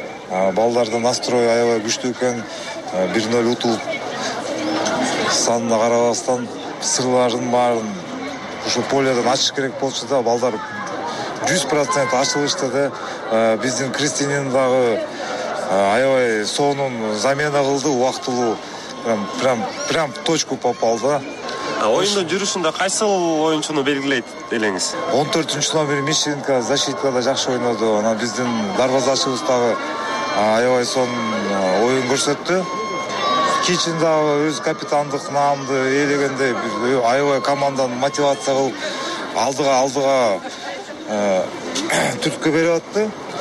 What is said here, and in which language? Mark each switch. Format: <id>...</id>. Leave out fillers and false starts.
<ky>Балдардын настрою аябай күчтүү экен. 1-0 утулуп санына карабастан сырлардын баарын ушу полядан ачыш керек болчу да, балдар 100% ачылышты да. Биздин Кристинин дагы аябай сонун замена кылды, убактылуу.</ky> <ru>Прям точку попал да.</ru> <ky>Оюндун жүрүшүндө кайсыл оюнчуну белгилейт элеңиз? 14-чү номер Мишенко защитада жакшы ойноду. Анан биздин дарбазачыбыз дагы аябай сонун оюн көрсөттү. Кичин дагы өз капитандык наамды ээлегенде аябай команданы мотивация кылып алдыга түрткү берип атты.</ky>